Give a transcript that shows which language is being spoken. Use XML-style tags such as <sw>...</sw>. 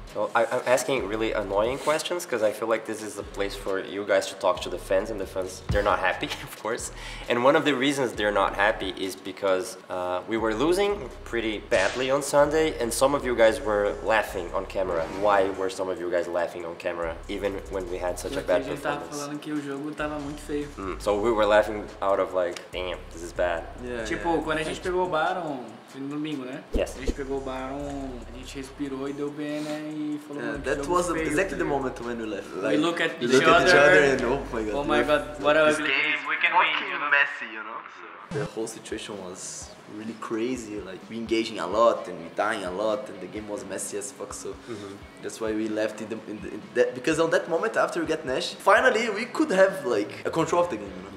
<en>Well, I'm asking really annoying questions because I feel like this is the place for you guys to talk to the fans, and the fans, they're not happy, of course. And one of the reasons reasons they're not happy is because we were losing pretty badly on Sunday, and some of you guys were laughing on camera. Why were some of you guys laughing on camera even when we had such a bad performance?</en> <pt>Tava falando que o jogo tava muito feio.</pt> <en>Mm, so we were laughing out of like, damn, this is bad.</en> <pt>Yeah, tipo, yeah. Quando a gente pegou o Baron no domingo, né?</pt> <en>Yes.</en> <pt>A gente pegou o Baron, a gente respirou e deu bem, né? E falou, yeah,</pt> <en>that was</en> <pt>feio,</pt> <en>exactly the moment when we left. Like, we look at each other and oh my god. Oh my god, what this game, we can win, you know? Messy, you know? So. The whole situation was really crazy, like we engaging a lot and we dying a lot, and the game was messy as fuck, so mm-hmm. That's why we left in that, because on that moment after we get Nash, finally we could have like a control of the game, you know?</en>